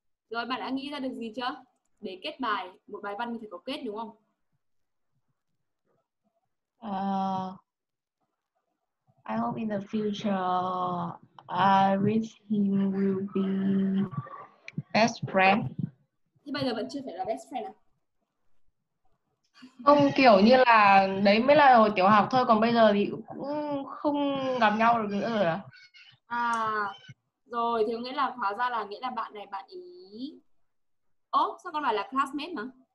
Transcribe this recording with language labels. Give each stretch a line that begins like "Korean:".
Vietnamese: Rồi bạn đã nghĩ ra được gì chưa? Để kết bài, một bài văn thì phải có kết đúng không?
English: I hope in the future with him will be best friend.
Vietnamese: Thế bây giờ vẫn chưa phải là best friend à? Không, kiểu như là đấy mới là hồi tiểu học thôi, còn bây giờ thì cũng không gặp nhau được nữa rồi. Rồi thì nghĩa là hóa ra là nghĩa là bạn này bạn ý. Ố, sao con bảo là classmate mà?